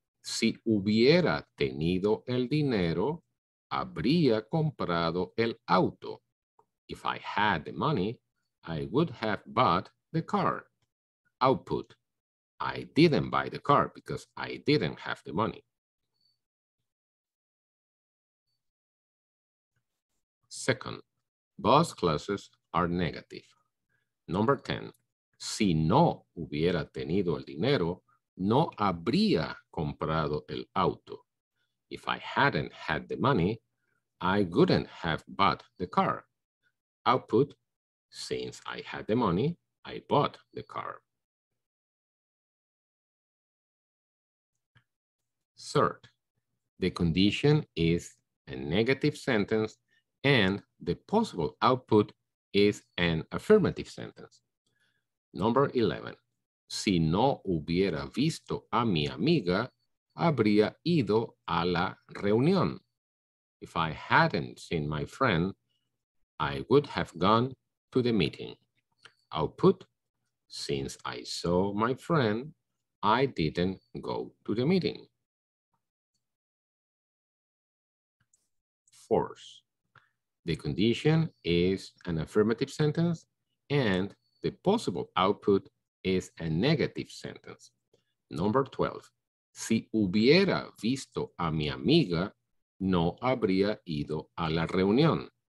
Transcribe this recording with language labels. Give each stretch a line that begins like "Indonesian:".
Spanish: Si hubiera tenido el dinero, habría comprado el auto.
English: If I had the money, I would have bought the car. Output. I didn't buy the car because I didn't have the money. Second, both classes are negative. Number 10.
Spanish: Si no hubiera tenido el dinero, no habría comprado el auto.
English: If I hadn't had the money, I couldn't have bought the car. Output, since I had the money, I bought the car. Third, the condition is a negative sentence and the possible output is an affirmative sentence. Number 11.
Spanish: Si no hubiera visto a mi amiga, habría ido a la reunión.
English: If I hadn't seen my friend, I would have gone to the meeting. Output, since I saw my friend, I didn't go to the meeting. Fourth, the condition is an affirmative sentence and the possible output is a negative sentence. Number 12,
Spanish: si hubiera visto a mi amiga, no habría ido a la reunión.